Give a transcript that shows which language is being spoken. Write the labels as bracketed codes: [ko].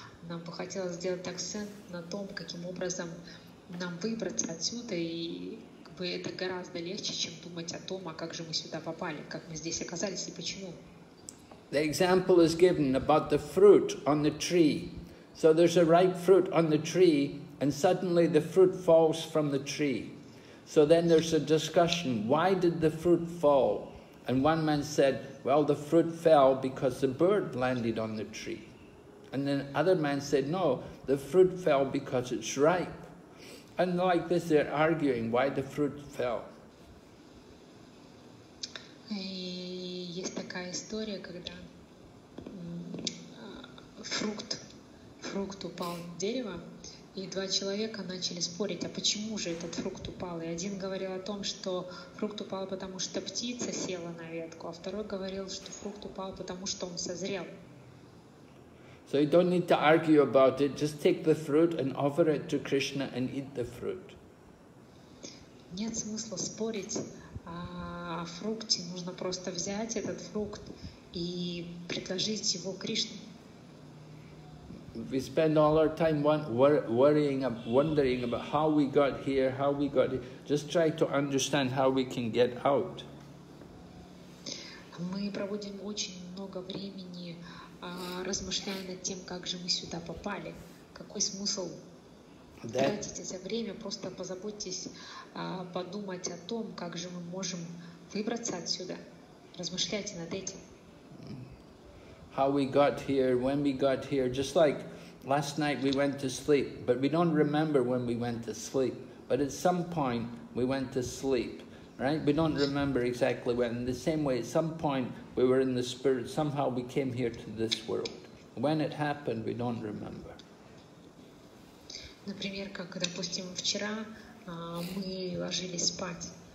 [ru] Нам бы хотелось сделать акцент на том, каким образом нам выбраться отсюда, и как бы это гораздо легче, чем думать о том, а как же мы сюда попали, как мы здесь оказались и почему. [en] The example is given about the fruit on the tree. So there's a ripe fruit on the tree, and suddenly the fruit falls from the tree. So then there's a discussion, why did the fruit fall? And one man said, well, the fruit fell because the bird landed on the tree. And then other man said, no, the fruit fell because it's ripe. And like this, they're arguing why the fruit fell. [ru] Есть такая история, когда фрукт упал на дерево, и два человека начали спорить, а почему же этот фрукт упал? И один говорил о том, что фрукт упал, потому что птица села на ветку, а второй говорил, что фрукт упал, потому что он созрел. [en] So you don't need to argue about it, just take the fruit and offer it to Krishna and eat the fruit. [ru] Нет смысла спорить о фрукте, нужно просто взять этот фрукт и предложить его Кришне. [en] We spend all our time worrying, wondering about how we got here, how we got here. Just try to understand how we can get out. [ru] Мы проводим очень много времени, размышляя над тем, как же мы сюда попали. Какой смысл тратить это время? Просто позаботьтесь подумать о том, как же мы можем выбраться отсюда. Размышляйте над этим. [en] How we got here, when we got here, just like last night we went to sleep, but we don't remember when we went to sleep. But at some point we went to sleep, right? We don't remember exactly when. In the same way, at some point we were in the spirit, somehow we came here to this world. When it happened, we don't remember. [ru] Например, как, допустим, вчера мы ложились спать.